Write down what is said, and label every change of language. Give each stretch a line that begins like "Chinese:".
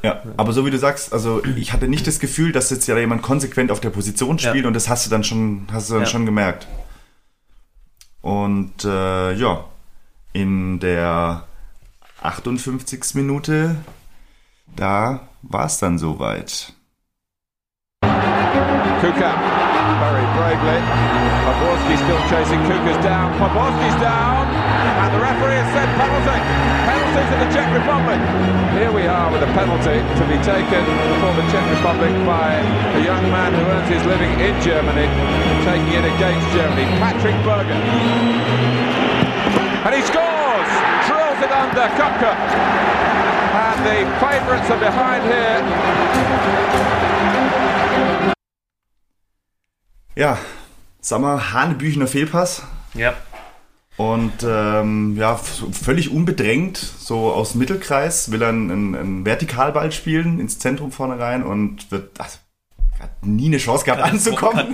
German: Ja, aber so wie du sagst, also ich hatte nicht das Gefühl, dass jetzt ja jemand konsequent auf der Position spielt ja. und das hast du dann schon gemerkt. Und ja, in der 58. Minute, da war es dann soweit.
English: Kuka, very bravely. Poborski still chasing. Kuka's down. Poborski's down. And the referee has said penalty. Penalties in the Czech Republic. Here we are with a penalty to be taken for the Czech Republic by a young man who earns his living in Germany, taking it against Germany, Patrick Berger. And he scores! Drills it under Kupka. And the favourites are behind here.
German: Ja, sag mal, hanebüchener Fehlpass. Ja. Und ja, völlig unbedrängt, so aus Mittelkreis, will er einen Vertikalball spielen ins Zentrum vorne rein und wird hat nie eine Chance gehabt anzukommen.